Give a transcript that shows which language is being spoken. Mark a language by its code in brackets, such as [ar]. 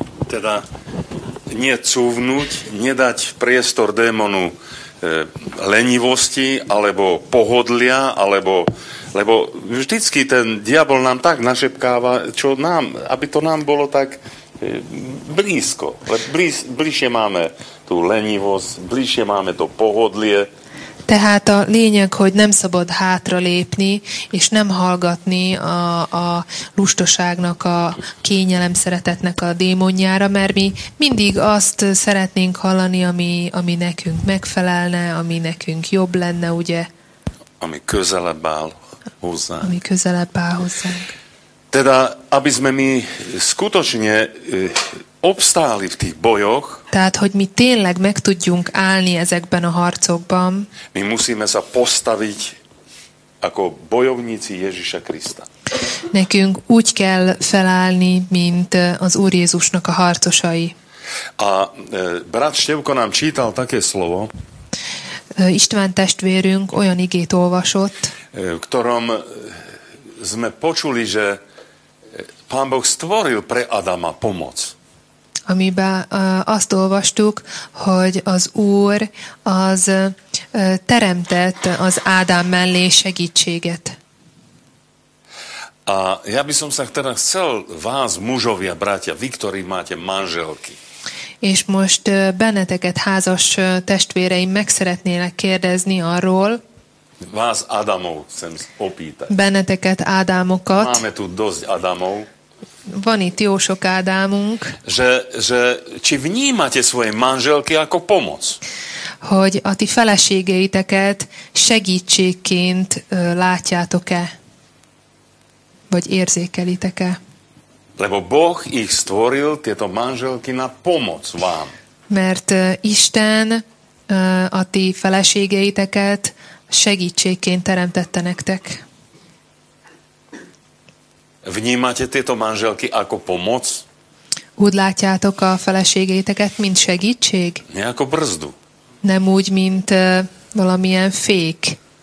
[sk] Teda nie cúvnuť, nedať priestor démonu lenivosti, alebo pohodlia, alebo lebo vždycky ten diabol nám tak našepkáva, čo nám, aby to nám bolo tak blízko. Bližšie máme tú lenivosť, bližšie máme to pohodlie. [hu] Tehát a lényeg, hogy nem szabad hátralépni, és nem hallgatni a lustaságnak, a kényelem szeretetnek a démonjára, mert mi mindig azt szeretnénk hallani, ami nekünk megfelelne, ami nekünk jobb lenne, ugye? Ami közelebb áll hozzánk. Ami közelebb áll hozzánk. [sk] Teda, aby sme mi skutočne obstáli v tých bojoch. [hu] Tehát, hogy mi tényleg meg tudjunk állni ezekben a harcokban. [sk] My musíme sa postaviť ako bojovníci Ježiša Krista. [hu] Nekünk úgy kell felállni, mint az Úr Jézusnak a harcosai. [sk] A brat Števko nám čítal také slovo. [hu] István testvérünk olyan igét olvasott. [sk] V ktorom sme počuli, že Pán Boh stvoril pre Adama pomoc. [hu] Amiben azt olvastuk, hogy az Úr az teremtett az Ádám mellé segítséget. [sk] A ja by som sa teda chcel vás, mužovia, bratia, vy, ktorí máte manželky. [hu] És most benneteket, házas testvéreim, meg szeretnélek kérdezni arról. [sk] Vás, Ádámov, chcem opýtať. [hu] Benneteket, Ádámokat. [sk] Máme tu dosť Ádámov. [hu] Van itt jó sok Ádámunk. [sk] Že či vnímate svoje manželky ako pomoc? [hu] Hogy a ti feleségeiteket segítségként látjátok-e? Vagy érzékelitek-e? [sk] Lebo Boh ich stvoril, tieto manželky, na pomoc vám. [hu] Mert Isten a ti feleségeiteket segítségként teremtette nektek. [sk] Vnímate tieto manželky ako pomoc? [hu] Úgy látjátok a feleségeiteket, mint segítség? [sk] Nie ako brzdu. [hu] Nem úgy, mint valamilyen fék.